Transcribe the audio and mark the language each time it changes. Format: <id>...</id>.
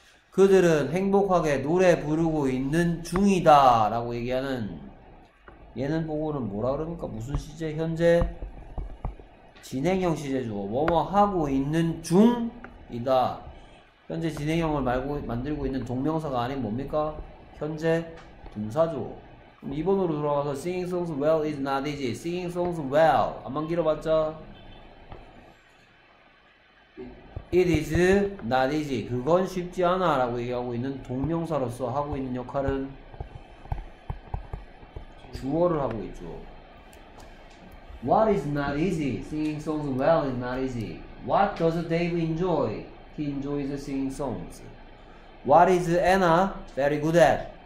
<ko>그들은 행복하게 노래 부르고 있는 중이다 라고 얘기하는 얘는 보고는 뭐라 그럽니까? 무슨 시제? 현재 진행형 시제죠. 뭐뭐 하고 있는 중이다. 현재 진행형을 만들고 있는 동명사가 아닌 뭡니까? 현재 분사죠. 2번으로 돌아가서</ko> <en>singing songs well is not easy. singing songs well</en> <ko>안만 길어봤자</ko> <en>it is not easy.</en> <ko>그건 쉽지 않아 라고 얘기하고 있는 동명사로서 하고 있는 역할은 주어를 하고 있죠.</ko> <en>What is not easy? singing songs well is not easy. What does Dave enjoy? He enjoys singing songs. What is Anna very good at?</en>